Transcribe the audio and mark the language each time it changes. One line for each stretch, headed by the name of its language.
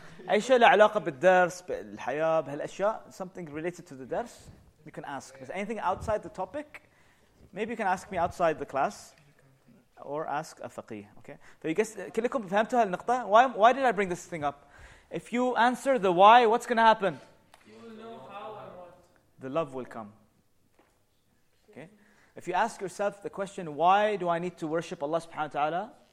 Arabic: أي شيء له علاقة بالدرس، بالحياة، بهالأشياء.
English: Something related to the درس. You can ask. Is anything outside the topic? Maybe you can ask me outside the class. Or ask a فقيه. Okay. So you guys,
Arabic: كلكم فهمتوا هالنقطة.
English: Why did I bring this thing up? If you answer the why, what's going to happen? You will know how and what. The love will come. If you ask yourself the question, why do I need to worship Allah subhanahu wa ta'ala?